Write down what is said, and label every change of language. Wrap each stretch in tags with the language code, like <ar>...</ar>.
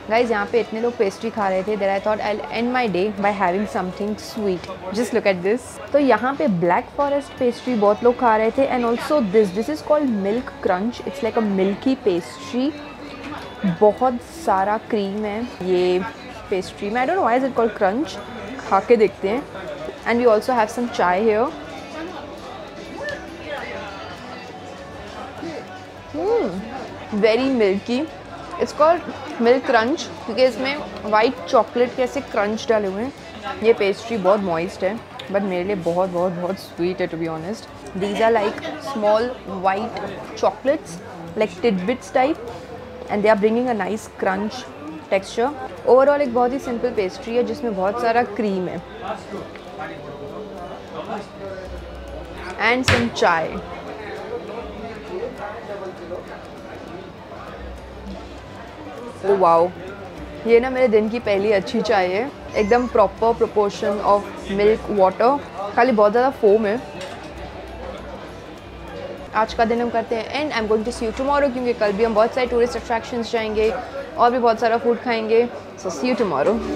<hi>Guys यहाँ पे इतने लोग पेस्ट्री खा रहे थे</hi> <en>That I thought I will end my day by having something sweet, just look at this.</en> <hi>तो यहाँ पे ब्लैक फॉरेस्ट पेस्ट्री बहुत लोग खा रहे थे,</hi> <en>And also this is called milk crunch. It's like a milky pastry,</en> <hi>बहुत सारा क्रीम है ये पेस्ट्री में।</hi> <en>I don't know why is it called crunch,</en> <hi>खा के देखते हैं।</hi> <en>And we also have some chai here. Very milky. It's called milk crunch because</en> <hi>इसमें white chocolate के ऐसे crunch डाले हुए हैं। ये pastry बहुत moist है but मेरे लिए बहुत बहुत बहुत sweet है</hi> <en>to be honest. These are like small white chocolates, like tidbits type, and they are bringing a nice crunch texture.</en> <hi>Overall एक बहुत ही simple pastry है जिसमें बहुत सारा cream है</hi> <en>and some chai.</en> <hi>Oh wow, ये ना मेरे दिन की पहली अच्छी चाय है।</hi> <en>एकदम proper proportion of milk, water.</en> <hi>खाली बहुत ज़्यादा foam है। आज का दिन हम करते हैं</hi> <en>and I am going to see you tomorrow,</en> <hi>क्योंकि कल भी हम बहुत सारे टूरिस्ट अट्रैक्शंस जाएंगे और भी बहुत सारा फूड खाएंगे।</hi> <en>So see you tomorrow.</en>